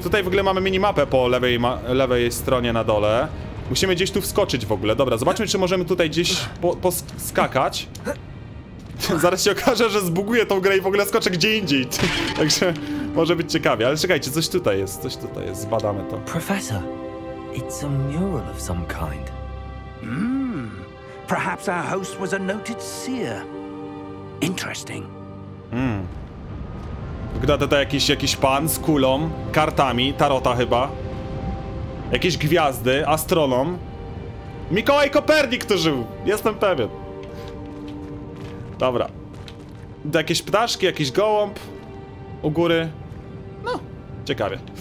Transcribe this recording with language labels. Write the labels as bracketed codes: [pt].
[pl] Tutaj w ogóle mamy minimapę po lewej stronie na dole. Musimy gdzieś tu wskoczyć w ogóle. Dobra, zobaczmy, czy możemy tutaj gdzieś poskakać. Zaraz się okaże, że zbuguję tą grę i w ogóle skoczę gdzie indziej. Także może być ciekawie. Ale czekajcie, coś tutaj jest. Coś tutaj jest. Zbadamy to. [en] Professor, it's a mural of some kind. Perhaps our host was a noted seer. Interesting. [pl] Wygląda to jakiś pan z kulą, kartami, tarota chyba. Jakieś gwiazdy, astronom. Mikołaj Kopernik tu żył, jestem pewien. Dobra. To jakieś ptaszki, jakiś gołąb u góry. No, ciekawie.